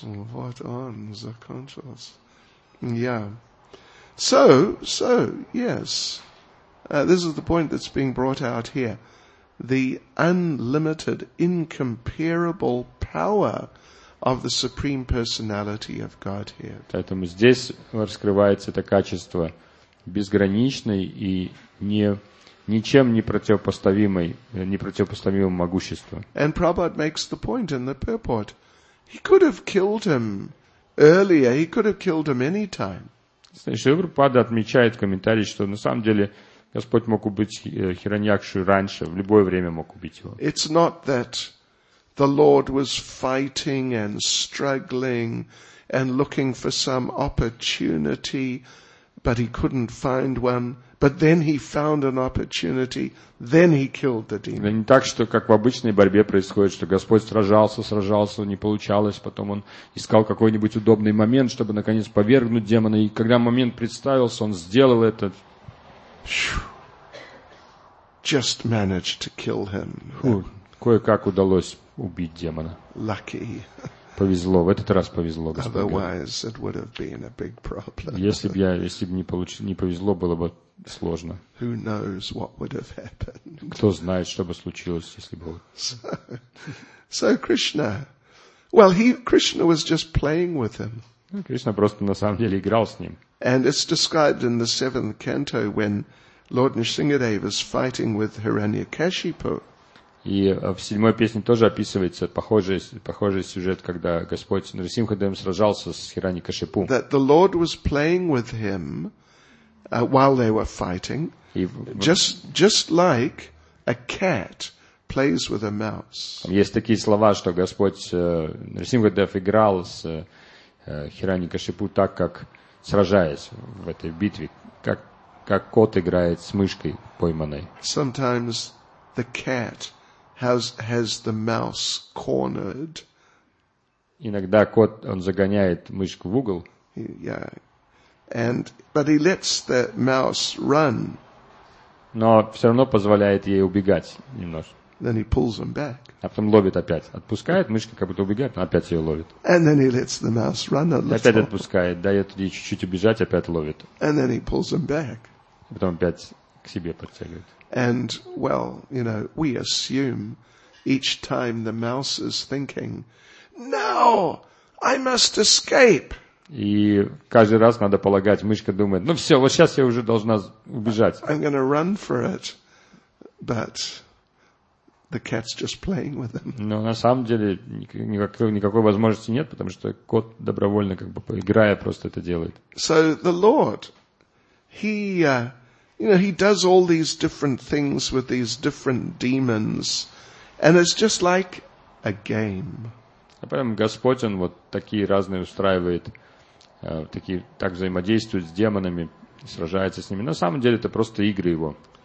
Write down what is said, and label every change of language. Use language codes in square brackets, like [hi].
[ru] Вот он закончился. Yeah. [en] So, yes, this is the point that's being brought out here. The unlimited, incomparable power of the Supreme Personality of Godhead. [ru] Поэтому здесь раскрывается это качество безграничной и ничем не противопоставимого могущества. [en] And Prabhupada makes the point in the purport. He could have killed him earlier, he could have killed him any time. [ru] Шрила Прабхупада отмечает в комментарии, что на самом деле Господь мог убить Хираньякшу раньше, в любое время мог убить его. [en] It's not that the Lord was fighting and struggling and looking for some opportunity, but he couldn't find one. But then he found an opportunity. Then he killed the demon. [ru] Это не так, что как в обычной борьбе происходит, что Господь сражался, не получалось, потом он искал какой-нибудь удобный момент, чтобы наконец повергнуть демона, и когда момент представился, он сделал это. [en] Just managed to kill him. [ru] Кое-как удалось убить демона. [en] Lucky. [ru] Повезло, в этот раз повезло, Господь. [en] Otherwise, it would have been a big problem. [ru] Если бы не повезло, было бы сложно. [en] Who knows what would have happened? [ru] Кто знает, что бы случилось, если бы. [en] So Krishna, well, Krishna was just playing with him. [ru] Кришна просто на самом деле играл с ним. [en] And it's described in the seventh canto when Lord Nrisimhadeva is fighting with Hiranyakashipu. [ru] И в седьмой песне тоже описывается похожий сюжет, когда Господь Нрисимхадева сражался с Хираньякашипу. [en] That the Lord was playing with him while they were fighting, just like a cat plays with a mouse. [ru] Есть такие слова, что Господь Нрисимхадев играл с Хираньякашипу так, как сражаясь в этой битве, как кот играет с мышкой пойманной. [en] Sometimes the cat has the mouse cornered. [ru] Иногда кот, он загоняет мышку в угол. [en] But he lets the mouse run. [ru] Но все равно позволяет ей убегать немножко. [en] Then he pulls him back. [ru] А потом ловит опять. Отпускает, мышка как будто убегает, но опять ее ловит. [en] And then he lets the mouse run a little. [ru] Опять отпускает, дает ей чуть-чуть убежать, опять ловит. [en] And then he pulls him back. [ru] И потом опять к себе подтягивает. [en] And, well, you know, we assume each time the mouse is thinking, now I must escape. [ru] И каждый раз надо полагать, мышка думает, ну все, вот сейчас я уже должна убежать. [en] I'm going to run for it, but the cat's just playing with him. [ru] Но на самом деле никакой возможности нет, потому что кот добровольно, как бы поиграя, просто это делает. [en] So the Lord, you know, he does all these different things with these different demons, and it's just like a game. [ru] А потом Господь, он вот такие разные устраивает, такие так взаимодействует с демонами, сражается с ними. На самом деле это просто игры его.